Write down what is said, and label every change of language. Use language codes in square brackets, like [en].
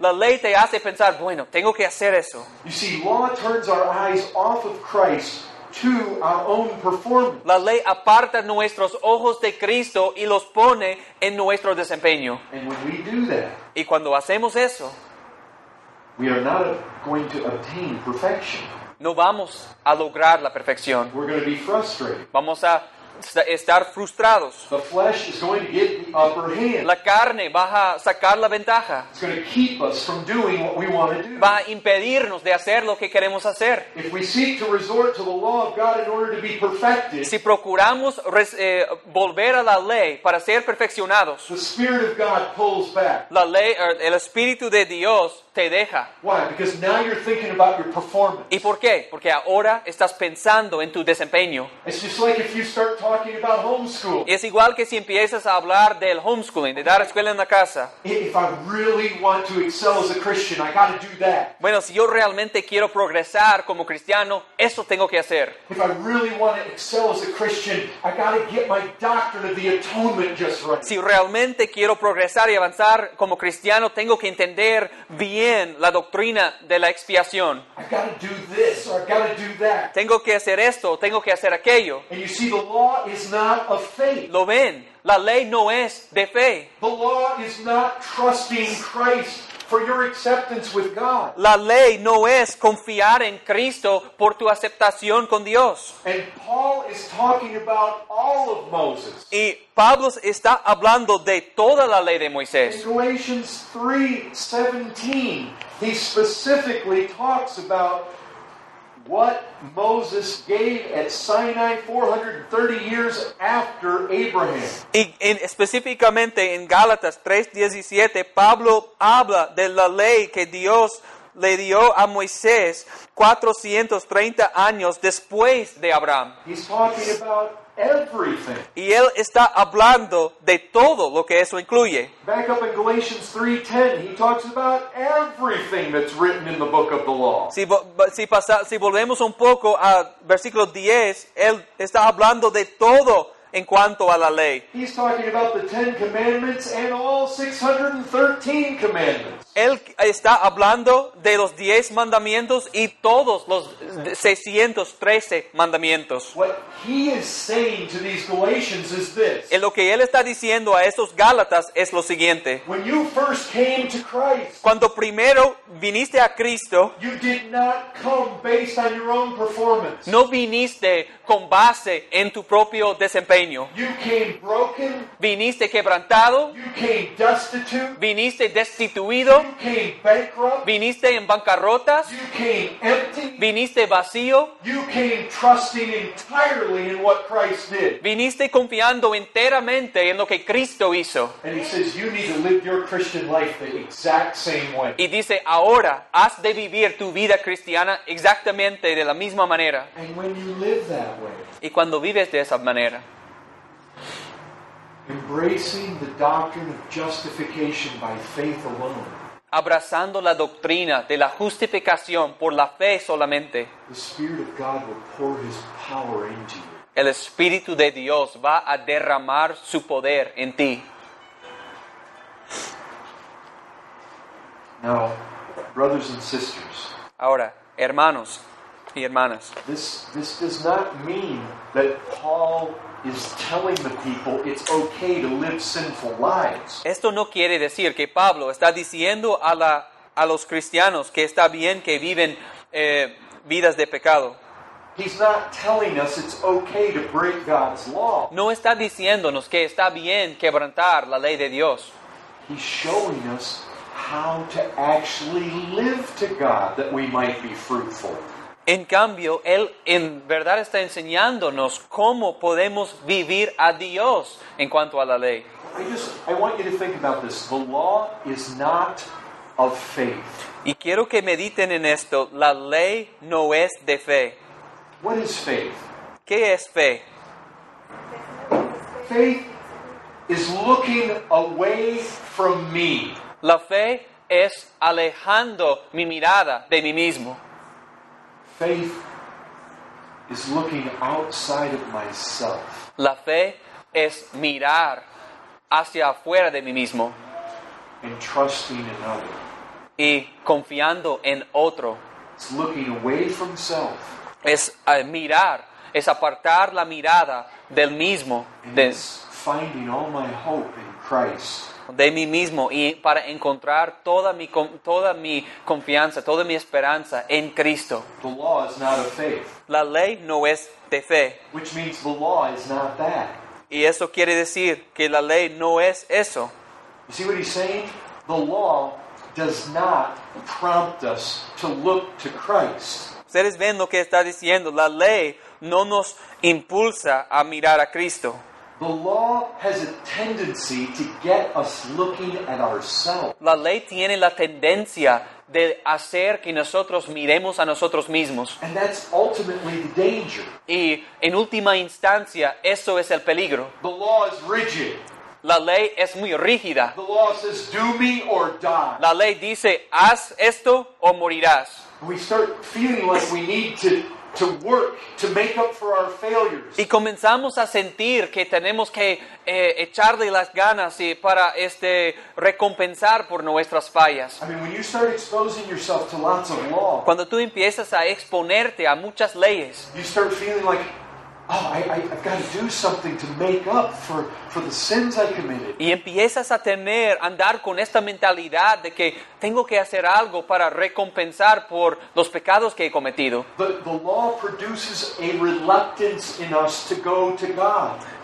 [es] La ley te hace pensar, bueno, tengo que hacer eso. [en] You see, law turns our eyes off of Christ to our own performance. [es] La ley aparta nuestros ojos de Cristo y los pone en nuestro desempeño. [en] And when we do that, [es] y cuando hacemos eso, [en] we are not going to obtain perfection. [es] No vamos a lograr la perfección. [en] We're going to be frustrated. [es] Vamos a estar frustrados. [en] The flesh is going to get the upper hand. [es] La carne va a sacar la ventaja. [en] It's going to keep us from doing what we want to do. [es] Va a impedirnos de hacer lo que queremos hacer. [en] If we seek to resort to the law of God in order to be perfected, [es] si procuramos volver a la ley para ser perfeccionados, [en] the Spirit of God pulls back. [es] La ley, el Espíritu de Dios te deja. [en] Why? Because now you're thinking about your performance. [es] ¿Y por qué? Porque ahora estás pensando en tu desempeño. [en] It's just like if you start talking about homeschooling. [es] Es igual que si empiezas a hablar del homeschooling, de dar escuela en la casa. [en] If I really want to excel as a Christian, I got to do that. [es] Bueno, si yo realmente quiero progresar como cristiano, eso tengo que hacer. [en] If I really want to excel as a Christian, I got to get my doctrine of the atonement just right. [es] Si realmente quiero progresar y avanzar como cristiano, tengo que entender bien la doctrina de la expiación. [en] I got to do this or I got to do that. [es] Tengo que hacer esto, tengo que hacer aquello. [en] And you see, the law is not of faith. [es] Lo ven, la ley no es de fe. [en] The law is not trusting Christ for your acceptance with God. [es] La ley no es confiar en Cristo por tu aceptación con Dios. [en] And Paul is talking about all of Moses. [es] Y Pablo está hablando de toda la ley de Moisés. [en] In Galatians 3:17, he specifically talks about what Moses gave at Sinai 430 years after Abraham. [es] Y específicamente en Gálatas 3:17, Pablo habla de la ley que Dios le dio a Moisés 430 años después de Abraham. [en] He's talking about everything. [es] Y él está hablando de todo lo que eso incluye. [en] Back up in Galatians 3:10, he talks about everything that's written in the book of the law. [es] Si volvemos un poco a versículo 10, él está hablando de todo en cuanto a la ley. [en] He's talking about the Ten Commandments and all 613 commandments. [es] Él está hablando de los 10 mandamientos y todos los 613 mandamientos. [en] What he is saying to these Galatians is this. [es] Y lo que él está diciendo a esos Gálatas es lo siguiente. [en] When you first came to Christ, [es] cuando primero viniste a Cristo, [en] you did not come based on your own performance. [es] No viniste con base en tu propio desempeño. [en] You came broken. [es] Viniste quebrantado. [en] You came destitute. [es] Viniste destituido. [en] You came bankrupt. [es] Viniste en bancarrotas. [en] You came empty. [es] Viniste vacío. [en] You came trusting entirely in what Christ did. [es] Viniste confiando enteramente en lo que Cristo hizo. [en] And he says you need to live your Christian life the exact same way. [es] Y dice, ahora has de vivir tu vida cristiana exactamente de la misma manera. [en] And when you live that way, [es] y cuando vives de esa manera, [en] embracing the doctrine of justification by faith alone. [es] Abrazando la doctrina de la justificación por la fe solamente. [en] The Spirit of God will pour His power into you. [es] El Espíritu de Dios va a derramar su poder en ti. [en] Now, brothers and sisters. [es] Ahora, hermanos y hermanas. [en] This does not mean that Paul is telling the people it's okay to live sinful lives. [es] Esto no quiere decir que Pablo está diciendo a los cristianos que está bien que viven vidas de pecado. [en] He's not telling us it's okay to break God's law. [es] No está diciéndonos que está bien quebrantar la ley de Dios. [en] He's showing us how to actually live to God that we might be fruitful. [es] En cambio, Él en verdad está enseñándonos cómo podemos vivir a Dios en cuanto a la ley. [en] I want you to think about this. The law is not of faith. [es] Y quiero que mediten en esto. La ley no es de fe. [en] What is faith? [es] ¿Qué es fe? [en] Faith is looking away from me. [es] La fe es alejando mi mirada de mí mismo. [en] Faith is looking outside of myself. [es] La fe es mirar hacia afuera de mí mismo. [en] And trusting another. [es] Y confiando en otro. [en] It's looking away from self. [es] Es mirar, es apartar la mirada del mismo. [en] And it's finding all my hope in Christ. [es] De mí mismo y para encontrar toda mi confianza, toda mi esperanza en Cristo. [en] The law is not of faith. [es] La ley no es de fe. [en] Which means the law is not that. [es] Y eso quiere decir que la ley no es eso. [en] You see what he's saying? The law does not prompt us to look to Christ. [es] Ustedes ven lo que está diciendo. La ley no nos impulsa a mirar a Cristo. [en] The law has a tendency to get us looking at ourselves. [es] La ley tiene la tendencia de hacer que nosotros miremos a nosotros mismos. [en] And that's ultimately the danger. [es] Y en última instancia, eso es el peligro. [en] The law is rigid. [es] La ley es muy rígida. [en] The law says, do me or die. [es] La ley dice, haz esto o morirás. [en] We start feeling like we need to work, to make up for our failures. [es] Y comenzamos a sentir que tenemos que echarle las ganas y para recompensar por nuestras fallas. [en] I mean, when you start exposing yourself to lots of law, [es] cuando tú empiezas a exponerte a muchas leyes, [en] you start feeling like, I've got to do something to make up for the sins I committed. [es] Y empiezas a tener, andar con esta mentalidad de que tengo que hacer algo para recompensar por los pecados que he cometido. [en] The law produces a reluctance in us to go to God.